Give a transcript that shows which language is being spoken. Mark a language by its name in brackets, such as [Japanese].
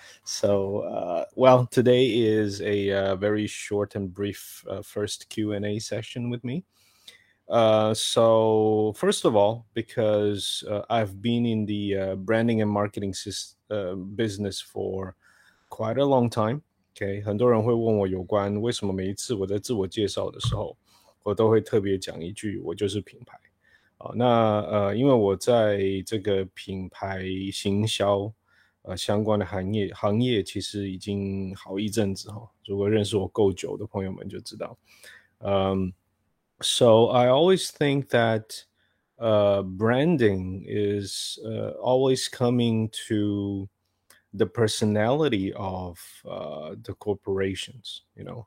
[English] So, today is a very short and brief first Q&A session with me. So first of all, because I've been in the branding and marketing business for quite a long time, okay? [Chinese] 很多人会问我有关为什么每一次我在自我介绍的时候，我都会特别讲一句"我就是品牌"。那因为我在这个品牌行销相关的行业，其实已经好一阵子哈。如果认识我够久的朋友们就知道， [English] So I always think that branding is always coming to the personality of the corporations, you know.